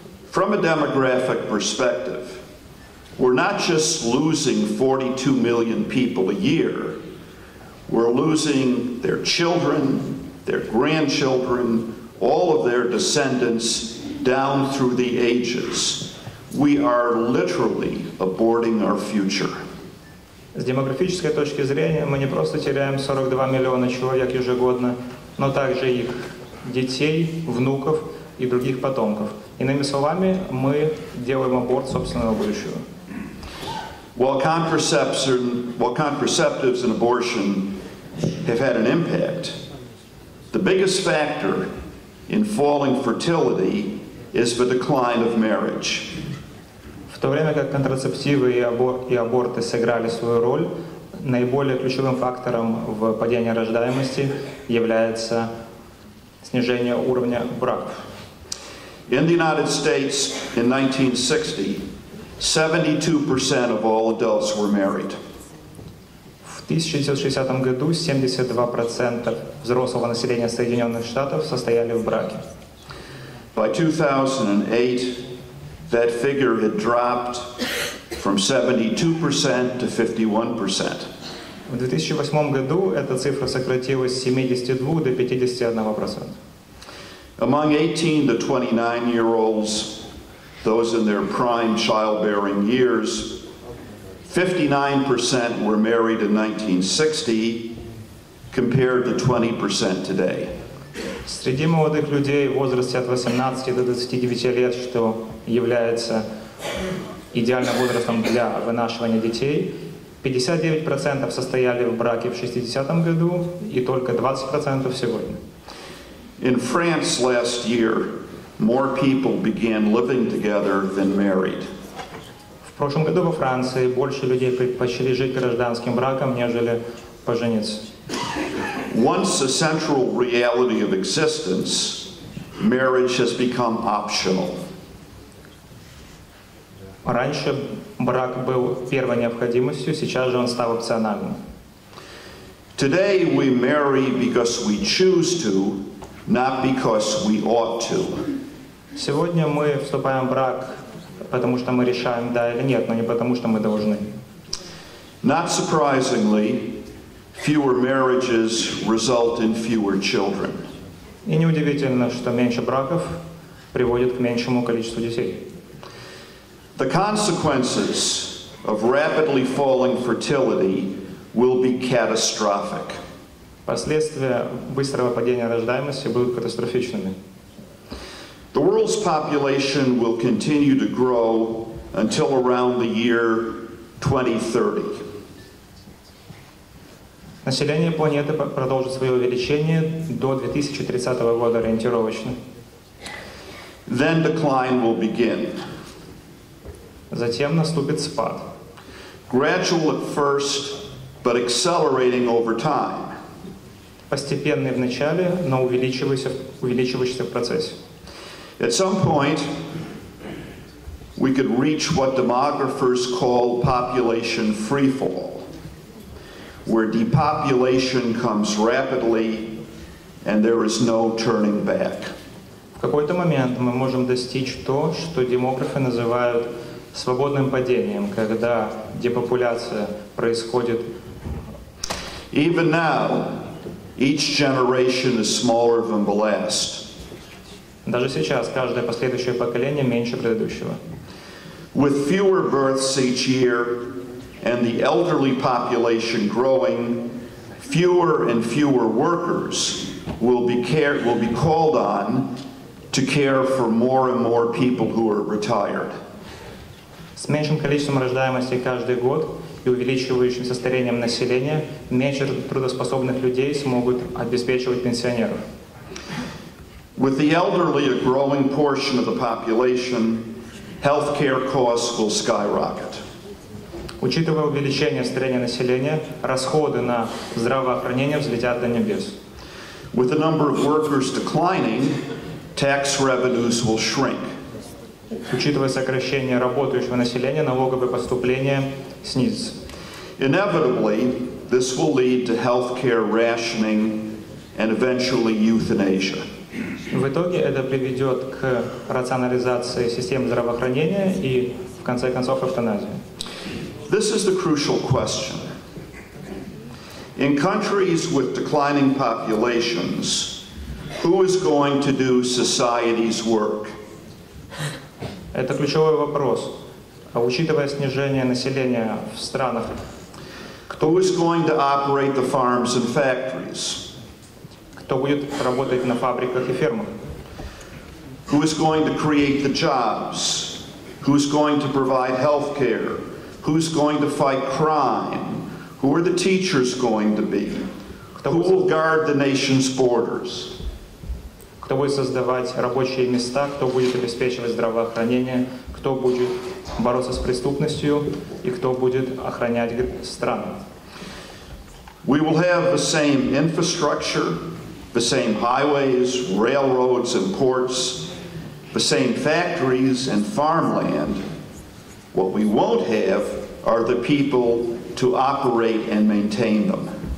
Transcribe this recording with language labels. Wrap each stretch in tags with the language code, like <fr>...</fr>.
<en>From a demographic perspective, we're not just losing 42 million people a year. We're losing their children, their grandchildren, all of their descendants down through the ages. We are literally aborting our future.</en> <ru>С демографической точки зрения мы не просто теряем 42 миллиона человек ежегодно, но также их детей, внуков и других потомков. Иными словами, мы делаем аборт собственного будущего.</ru> <en>While contraceptives and abortion have had an impact, the biggest factor in falling fertility is the decline of marriage.</en> <ru>В то время как контрацептивы и аборты сыграли свою роль, наиболее ключевым фактором в падении рождаемости является снижение уровня браков.</ru> <en>In the United States in 1960, 72% of all adults were married.</en> <ru>В 1960 году 72% взрослого населения Соединенных Штатов состояли в браке.</ru> <en>By 2008, that figure had dropped from 72% to 51%.</en> <ru>В 2008 году эта цифра сократилась с 72 до 51%.</ru> <en>Among 18 to 29-year-olds, those in their prime childbearing years, 59% were married in 1960, compared to 20% today.</en> <ru>Среди молодых людей в возрасте от 18 до 29 лет, что является идеальным возрастом для вынашивания детей, 59% состояли в браке в 60-м году и только 20% сегодня.</ru> <en>In France last year, more people began living together than married.</en> <ru>В прошлом году во Франции больше людей предпочли жить гражданским браком, нежели пожениться.</ru> <en>Once a central reality of existence, marriage has become optional.</en> <ru>Раньше брак был первой необходимостью, сейчас же он стал опциональным.</ru> <en>Today we marry because we choose to, not because we ought to.</en> <ru>Сегодня мы вступаем в брак, потому что мы решаем, да или нет, но не потому что мы должны.</ru> <en>Not surprisingly, fewer marriages result in fewer children.</en> <ru>И неудивительно, что меньше браков приводит к меньшему количеству детей.</ru> <en>The consequences of rapidly falling fertility will be catastrophic.</en> <ru>Последствия быстрого падения рождаемости будут катастрофичными.</ru> <en>The world's population will continue to grow until around the year 2030.</en> <ru>Население планеты продолжит свое увеличение до 2030 года ориентировочно.</ru> <en>Then decline will begin.</en> <ru>Затем наступит спад.</ru> <en>Gradual at first, but accelerating over time.</en> <ru>Постепенный вначале, но увеличивающийся в процессе.</ru> <en>At some point, we could reach what demographers call population freefall, where depopulation comes rapidly and there is no turning back.</en> <ru>В какой-то момент мы можем достичь то, что демографы называют свободным падением, когда депопуляция происходит.</ru> <en>Even now, each generation is smaller than the last.</en> <ru>Даже сейчас каждое последующее поколение меньше предыдущего.</ru> <en>With fewer births each year and the elderly population growing, fewer and fewer workers will be called on to care for more and more people who are retired.</en> <ru>С меньшим количеством рождаемости каждый год и увеличивающимся старением населения меньше трудоспособных людей смогут обеспечивать пенсионеров.</ru> <en>With the elderly a growing portion of the population, healthcare costs will skyrocket.</en> <ru>Учитывая увеличение старения населения, расходы на здравоохранение взлетят до небес.</ru> <en>With the number of workers declining, tax revenues will shrink.</en> <ru>Учитывая сокращение работающего населения, налоговые поступления снизятся.</ru> <en>Inevitably, this will lead to healthcare rationing and eventually euthanasia.</en> <ru>В итоге это приведет к рационализации системы здравоохранения и, в конце концов, эвтаназии.</ru> <en>This is the crucial question. In countries with declining populations, who is going to do society's work?</en> <ru>Это ключевой вопрос. А учитывая снижение населения в странах,</ru> <en>who is going to operate the farms and factories?</en> <ru>Кто будет работать на фабриках и фермах?</ru> <en>Who is going to create the jobs? Who is going to provide health care? Who is going to fight crime? Who are the teachers going to be? Who will guard the nation's borders?</en> <ru>Кто будет создавать рабочие места? Кто будет обеспечивать здравоохранение? Кто будет бороться с преступностью? И кто будет охранять страну?</ru> <en>We will have the same infrastructure, the same highways, railroads and ports, the same factories and farmland. What we won't have are the people to operate and maintain them.</en>